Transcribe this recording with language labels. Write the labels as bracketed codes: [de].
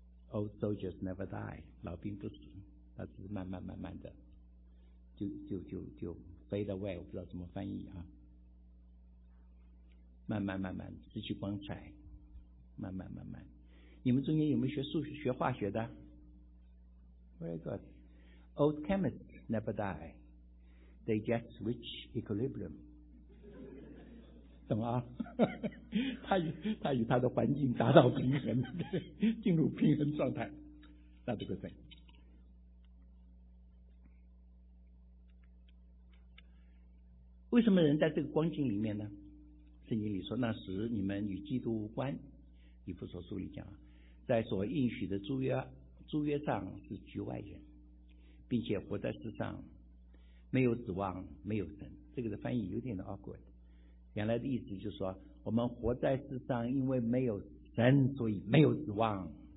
[en] Old soldiers never die， [zh] 老兵不死，他只是慢慢慢慢的就 [en] fade away， [zh] 我不知道怎么翻译啊，慢慢慢慢失去光彩，慢慢慢慢，你们中间有没有学数学、学化学的 ？ [en] Very good. Old chemists never die. They just reach equilibrium. [zh] 懂啊？他与他的环境达到平衡，进入平衡状态。 [en] That's a good thing. Why are people in this light? In the Bible, it says, "At that time, you were with Christ." [zh] 以弗所书里讲，在所应许的诸约上是局外人，并且活在世上没有指望，没有神。这个的翻译有点的 awkward， 原来的意思就是说，我们活在世上因为没有神，所以没有指望。